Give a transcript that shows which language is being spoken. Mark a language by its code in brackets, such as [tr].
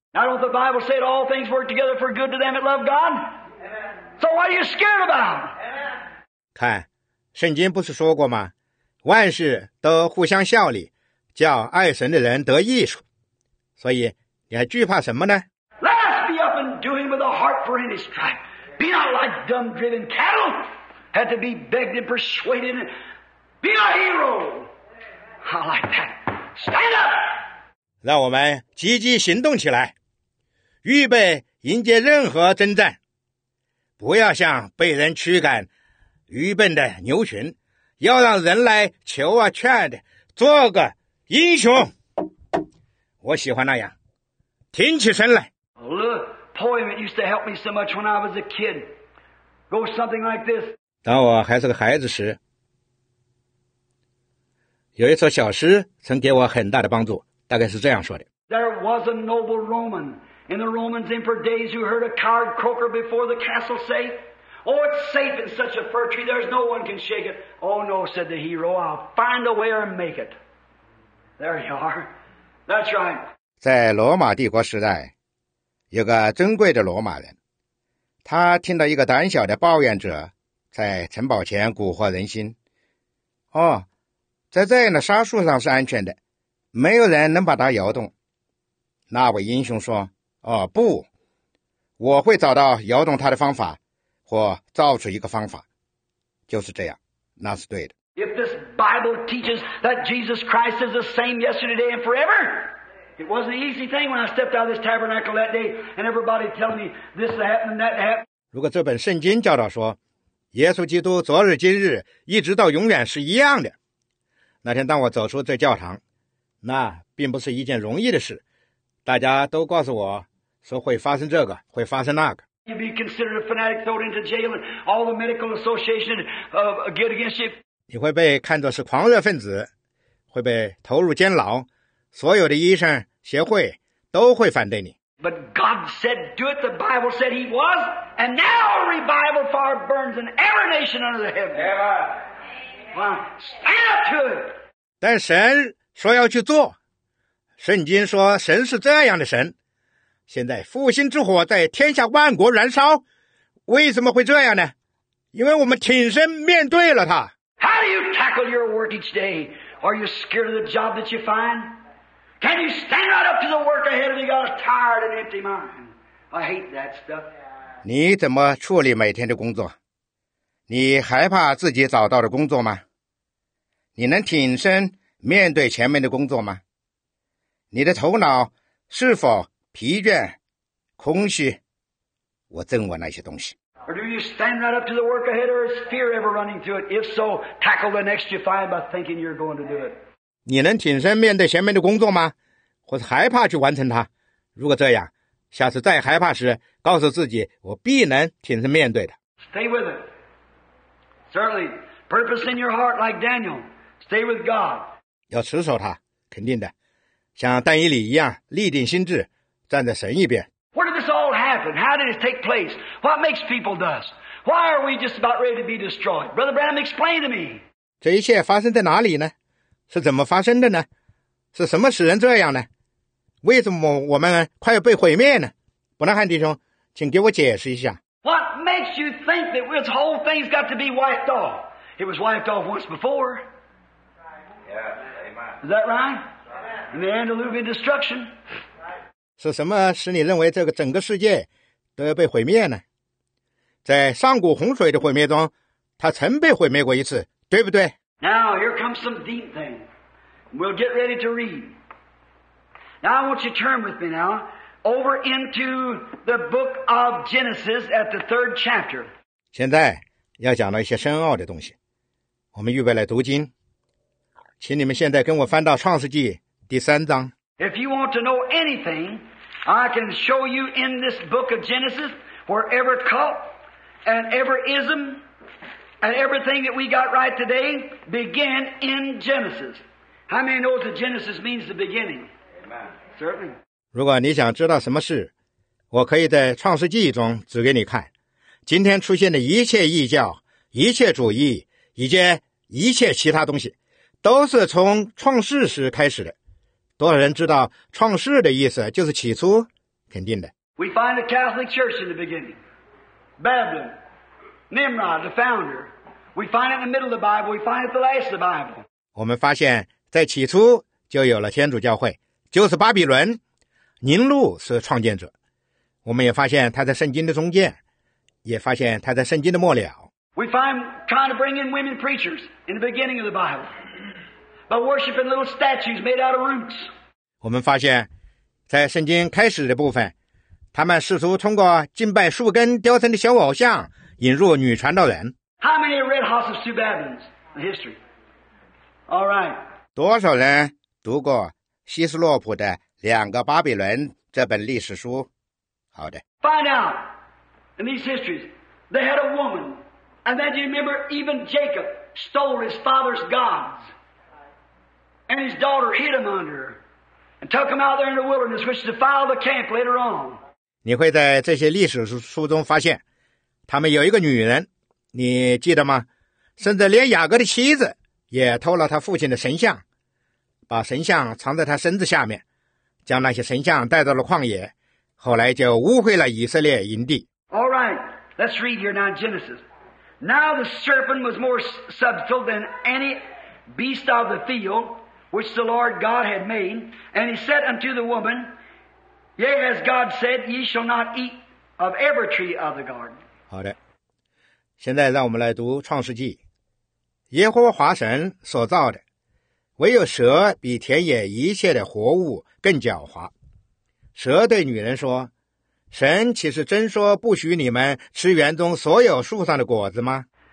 [en] Now don't the Bible say all things work together for good to them that love God? So what are you scared about? [zh] 看，圣经不是说过吗？万事都互相效力，叫爱神的人得益处。所以你还惧怕什么呢？ [en] Let us be up and doing with a heart for any strife. Be not like dumb driven cattle. Had to be begged and persuaded. Be a hero. I like that. Stand up. [zh] 让我们积极行动起来，预备迎接任何征战。不要像被人驱赶愚笨的牛群，要让人来求啊劝的，做个英雄。我喜欢那样，挺起身来。 [en] A poem that used to help me so much when I was a kid goes something like this. [zh] 当我还是个孩子时，有一首小诗曾给我很大的帮助，大概是这样说的。 [en] There was a noble Roman in the Roman's emperor days who heard a card croaker before the castle safe. Oh, it's safe in such a fir tree, there's no one can shake it. Oh no, said the hero, I'll find a way and make it. There you are. That's right. [zh] 在罗马帝国时代，有个尊贵的罗马人，他听到一个胆小的抱怨者在城堡前蛊惑人心。哦，在这样的沙树上是安全的，没有人能把它摇动。那位英雄说，哦不，我会找到摇动它的方法，或造出一个方法。就是这样，那是对的。 [en] If this Bible teaches that Jesus Christ is the same yesterday and forever,It was an easy thing when I stepped out of this tabernacle that day and everybody telling me this happened and that happened. [zh] 如果这本圣经教导说耶稣基督昨日今日一直到永远是一样的，那天当我走出这教堂，那并不是一件容易的事，大家都告诉我说会发生这个，会发生那个。 [en] You'd be considered a fanatic, thrown into jail, and all the medical association get against you. [zh] 你会被看作是狂热分子，会被投入监牢，所有的医生协会都会反对你。 [en] But God said, "Do it." The Bible said He was, and now revival fire burns in every nation under the heaven. Amen. Well, stand up to it. [zh] 但神说要去做，圣经说神是这样的神。现在复兴之火在天下万国燃烧，为什么会这样呢？因为我们挺身面对了他。 [en] How do you tackle your work each day? Are you scared of the job that you find? Can you stand right up to the work ahead of you? Got a tired and empty mind. I hate that stuff. [zh] 你怎么处理每天的工作？你害怕自己找到的工作吗？你能挺身面对前面的工作吗？你的头脑是否疲倦、空虚？我憎恶那些东西。 [en] Or do you stand right up to the work ahead, or is fear ever running through it? If so, tackle the next you find by thinking you're going to do it. [zh] 你能挺身面对前面的工作吗？或是害怕去完成它？如果这样，下次再害怕时，告诉自己，我必能挺身面对的。 [en] Stay with it. Certainly, purpose in your heart like Daniel. Stay with God. [zh] 要持守它，肯定的。像但以理一样，立定心志，站在神一边。 [en] Where did this all happen? How did it take place? What makes people thus? Why are we just about ready to be destroyed? Brother Branham, explain to me. [zh] 这一切发生在哪里呢？是怎么发生的呢？是什么使人这样呢？为什么我们快要被毁灭呢？伯南汉弟兄，请给我解释一下。 [en] What makes you think that this whole thing's got to be wiped off? It was wiped off once before. Yeah, is that right? In the Antediluvian destruction. [zh] 是什么使你认为这个整个世界都要被毁灭呢？在上古洪水的毁灭中，它曾被毁灭过一次，对不对？ [en] Now, here comes some deep thing. We'll get ready to read. Now, I want you to turn with me now over into the book of Genesis at the third chapter. [zh] 现在要讲到一些深奥的东西。我们预备来读经。请你们现在跟我翻到创世纪第三章。 [en] If you want to know anything, I can show you in this book of Genesis where every cult and every ism,And everything that we got right today began in Genesis. How many know that Genesis means the beginning? Amen. Certainly. [zh] 如果你想知道什么事，我可以在创世纪中指给你看。今天出现的一切异教、一切主义以及一切其他东西，都是从创世时开始的。多少人知道创世的意思就是起初？肯定的。 [en] We find the Catholic Church in the beginning. Babylon. Nimrod, the founder. We find it in the middle of the Bible. We find it at the last of the Bible. [zh] 我们发现在起初就有了天主教会，就是巴比伦。尼禄是创建者。我们也发现他在圣经的中间，也发现他在圣经的末了。 [en] We find trying to bring in women preachers in the beginning of the Bible, by worshiping little statues made out of roots. [zh] 我们发现，在圣经开始的部分，他们试图通过敬拜树根雕成的小偶像引入女传道人。 [en] How many have read Hoss of Two Babylons in history? All right. [zh] 多少人读过希斯洛普的《两个巴比伦》这本历史书？好的。 [en] Find out in these histories they had a woman, and then you remember even Jacob stole his father's gods, and his daughter hid them under her, and took them out there in the wilderness, which defiled the camp later on. [zh] 你会在这些历史书中发现，他们有一个女人，你记得吗？甚至连雅各的妻子也偷了他父亲的神像。把神像藏在他身子下面，将那些神像带到了旷野，后来就污秽了以色列营地。 [en] All right, let's read here now Genesis. Now the serpent was more subtle than any beast of the field which the Lord God had made, and he said unto the woman, Yea, as God said, ye shall not eat of every tree of the garden. [zh] 好的，现在让我们来读创世纪，耶和华神所造的。唯有蛇比田野一切的活物更狡猾。蛇对女人说，神岂是真说不许你们吃园中所有树上的果子吗？